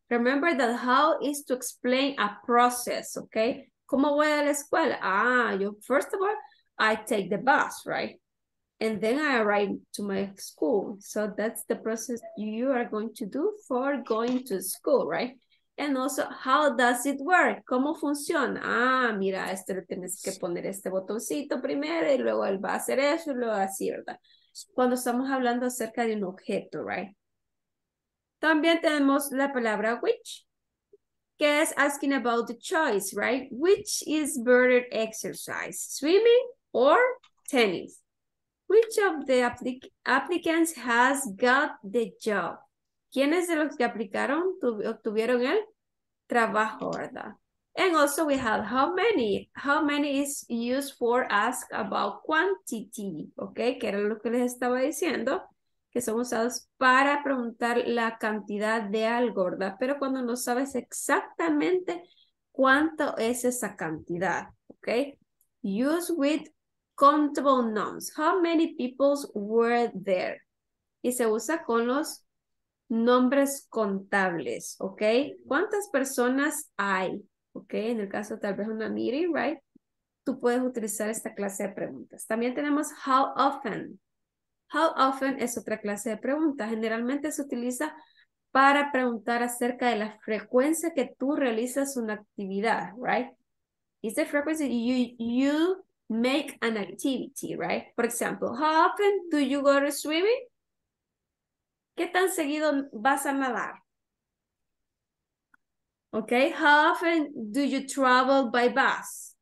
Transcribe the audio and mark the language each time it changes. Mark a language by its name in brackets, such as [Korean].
[English] Remember that how is to explain a process, okay? [Spanish] ¿Cómo voy a la escuela? [English] Ah, you first of all, I take the bus, right? And then I arrive to my school. So that's the process you are going to do for going to school, right? And also, how does it work? [Spanish] ¿Cómo funciona? Ah, mira, esto lo tienes que poner este botoncito primero y luego él va a hacer eso y luego así, ¿verdad? Cuando estamos hablando acerca de un objeto, right? También tenemos la palabra which, que es [English] asking about the choice, [Spanish] right? [English] Which is better exercise, swimming or tennis? Which of the applicants has got the job? [Spanish] ¿Quiénes de los que aplicaron obtuvieron el trabajo, verdad? [English] And also we have how many. How many is used for ask about quantity, ¿ok? [Spanish] Que era lo que les estaba diciendo, que son usados para preguntar la cantidad de algo, ¿verdad? Pero cuando no sabes exactamente cuánto es esa cantidad, ¿ok? [English] Use with countable nouns. How many people were there? [Spanish] Y se usa con los nombres contables, ¿ok? ¿Cuántas personas hay? Ok, en el caso tal vez una meeting, right? Tú puedes utilizar esta clase de preguntas. También tenemos how often. How often es otra clase de pregunta. Generalmente se utiliza para preguntar acerca de la frecuencia que tú realizas una actividad, right? [English] It's the frequency you make an activity, right? For example, how often do you go to swimming? [Spanish] ¿Qué tan seguido vas a nadar? [English] Okay, how often do you travel by bus?